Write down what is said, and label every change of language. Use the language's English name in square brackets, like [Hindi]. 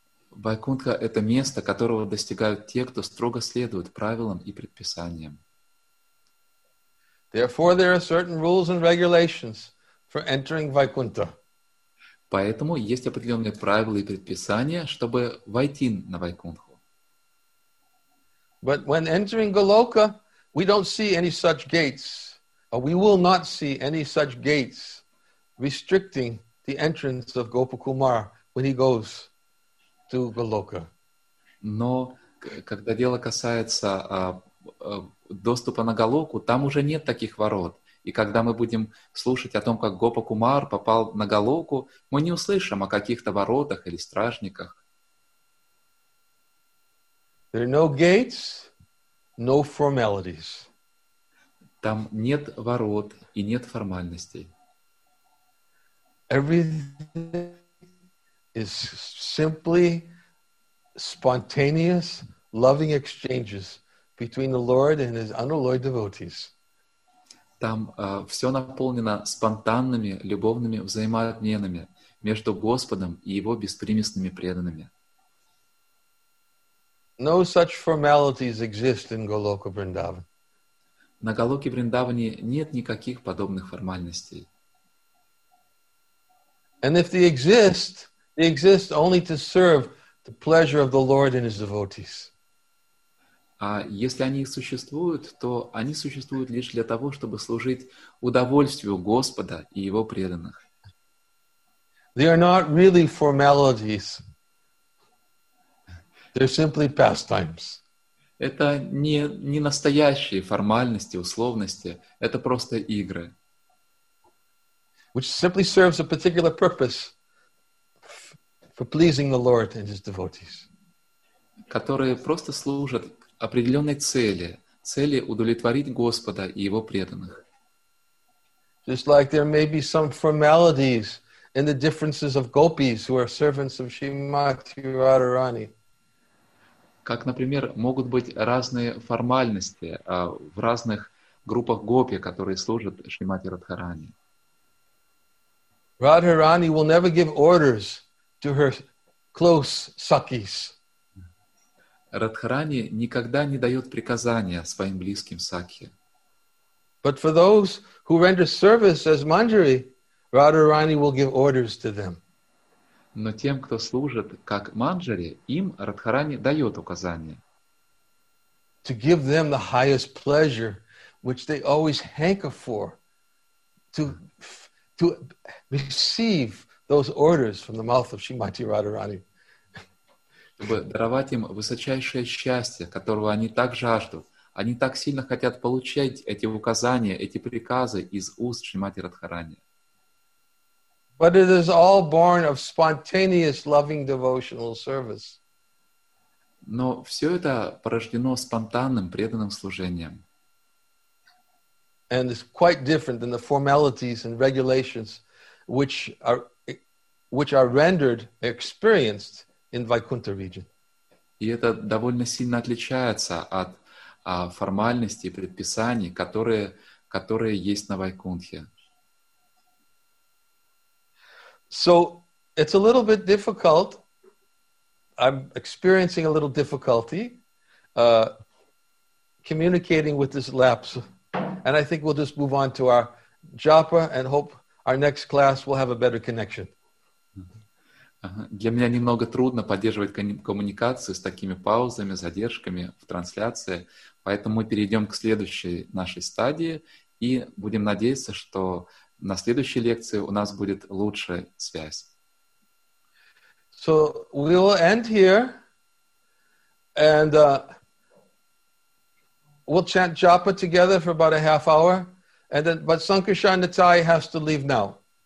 [Russian] Вайкунтха — это место, которого достигают те, кто строго следует правилам и предписаниям. [English] Therefore, there are certain rules and regulations for entering Vaikuntha. [Russian] Поэтому есть определенные правила и предписания, чтобы войти на Вайкунтху. [English] But when entering Goloka, we don't see any such gates, or we will not see any such gates restricting the entrance of Gopu Kumar when he goes to Goloka. [Russian] Но когда дело касается доступа на Голоку, там уже нет таких ворот. И когда мы будем слушать о том, как Гопа Кумар попал на Голоку, мы не услышим о каких-то воротах или стражниках. [English] There are no gates, no formalities. [Russian] Там нет ворот и нет формальностей. [English] Everything is simply spontaneous, loving exchanges between the Lord and his unalloyed devotees. [Russian] Там все наполнено спонтанными любовными взаимообменами между Господом и его беспримесными преданными. [English] No such formalities exist in Goloka Vrindavan. [Russian] На Голоке Вриндаване нет никаких подобных формальностей. [English] And if they exist, they exist only to serve the pleasure of the Lord and his devotees. [Russian] А если они существуют, то они существуют лишь для того, чтобы служить удовольствию Господа и его преданных. [English] They are not really formalities. They're simply pastimes. [Russian] Это не настоящие формальности, условности, это просто игры. [English] Which simply serves a particular purpose for pleasing the Lord and his devotees. [Russian] Которые просто служат определенной цели, цели удовлетворить Господа и его преданных. [English] Just like there may be some formalities in the differences of gopis who are servants of Srimati Radharani. [Russian] Как, например, могут быть разные формальности в разных группах гопи, которые служат Шримати Радхарани. [English] Radharani will never give orders to her close sakis. [Russian] Радхарани никогда не дает приказания своим близким сакхи. [English] But for those who render service as Manjari, Radharani will give orders to them. [Russian] Но тем, кто служит как Манджари, им Радхарани дает указания. [English] To give them the highest pleasure, which they always hanker for, to receive those orders from the mouth of Srimati Radharani. [Russian] Чтобы даровать им высочайшее счастье, которого они так жаждут. Они так сильно хотят получать эти указания, эти приказы из уст Шримати Радхарани. [English] But it is all born of spontaneous loving devotional service. [Russian] Но все это порождено спонтанным преданным служением. [English] And it's quite different than the formalities and regulations which are rendered experienced in Vaikuntha region. [Russian] И это довольно сильно отличается от формальностей и предписаний, которые есть на Вайкунтхе. [English] So it's a little bit difficult. I'm experiencing a little difficulty communicating with this lapse. And I think we'll just move on to our japa and hope our next class will have a better connection. [Russian] Для меня немного трудно поддерживать коммуникацию с такими паузами, задержками в трансляции. Поэтому мы перейдем к следующей нашей стадии и будем надеяться, что на следующей лекции у нас будет лучшая связь. [English] So we will end here and we'll chant japa together for about a half hour and then but Sankarshan Natai has to leave now.